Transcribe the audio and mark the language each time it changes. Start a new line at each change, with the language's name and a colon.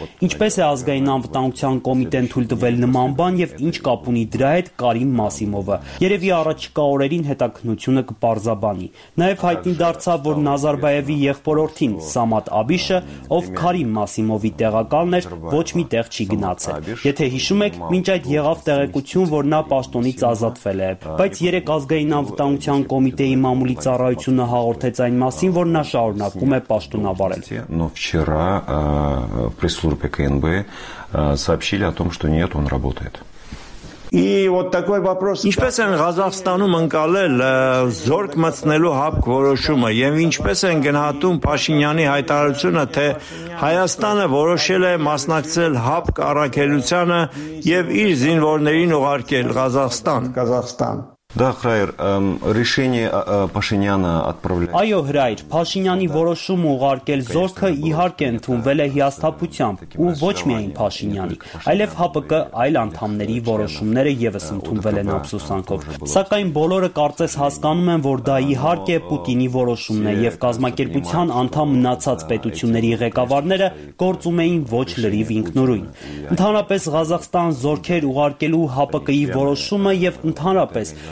Armenian: Ինչպես է ազգային անվտանգության կոմիտեն թույլ տվել նման բան եւ ինչ կապ ունի դրա հետ Կարին Մասիմովը։ Երևի առաջիկա օրերին հետաքննությունը կպարզաբանի։ Նաեւ հայտնի դարձավ, որ Նազարբայևի եղբորորդին Սամատ Աբիշը, ով Կարին Մասիմովի տեղակալն էր, ոչ մի տեղ չի գնացել։ Եթե հիշում եք, մինչ այդ եղավ տեղեկություն, որ նա պաշտոնից ազատվել է, բայց 3 ազգային անվտանգության Կոմիտեի մամուլի ծառայությունը հաղորդեց այն մասին, որ նա շարունակում է պաշտոնաբարել։
Russian: Но вчера в пресс-службе КНБ сообщили о том, что нет, он работает. И вот такой вопрос.
Armenian: Ինչպես են Ղազախստանում անցալել զորք մտցնելու հապք որոշումը եւ ինչպես են գնահատում Փաշինյանի հայտարարությունը, թե Հայաստանը որոշել է մասնակցել հապք առաքելությանը եւ իր զինվորներին ուղարկել Ղազախստան։ Ղազախստան։
Russian: Да, Храйр, решение Пашиняна отправлять.
Armenian: Այո, Храйր, Փաշինյանի որոշումը ուղարկել զորքը իհարկե ընդունվել է հիասթափությամբ, ու ոչ միայն Փաշինյանի, այլև ՀԱՊԿ այլ անդամների որոշումները եւս ընդունվել են ափսոսանքով։ Սակայն բոլորը կարծես հասկանում են, որ դա իհարկե Պուտինի որոշումն է, եւ կազմակերպության անդամ մնացած պետությունների ղեկավարները գործում էին ոչ լրիվ ինքնուրույն։ Ընդհանրապես Ղազախստան զորքեր ուղարկելու ՀԱՊԿ-ի որոշումը եւ ընդհանրապես